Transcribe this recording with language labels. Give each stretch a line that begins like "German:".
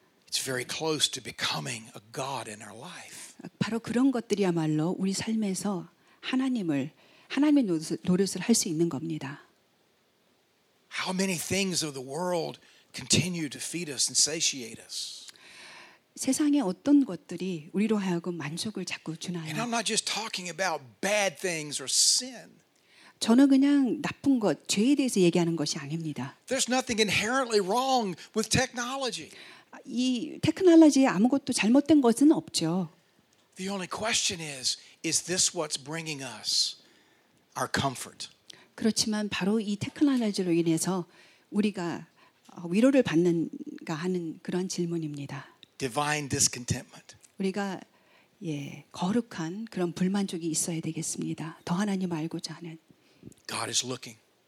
English: It's very close to becoming a God in our life.
Korean: 바로 그런 것들이야말로 우리 삶에서 하나님을 하나님의 노릇을 할 수 있는 겁니다.
English: How many things of the world continue to feed us and satiate us?
Korean: 세상에 어떤 것들이 우리로 하여금 만족을 자꾸 주나요?
English: And I'm not just talking about bad things or sin.
Korean: 저는 그냥 나쁜 것, 죄에 대해서 얘기하는 것이 아닙니다.
English: There's nothing inherently wrong with technology.
Korean: 이 테크놀로지에 아무것도 잘못된 것은 없죠.
English: The only question is this what's bringing us our comfort?
Korean: 그렇지만 바로 이 테크놀로지로 인해서 우리가 위로를 받는가 하는 그런 질문입니다.
English: Divine discontentment.
Korean: 우리가 예, 거룩한 그런 불만족이 있어야 되겠습니다. 더 하나님 알고자 하는
English: God is looking.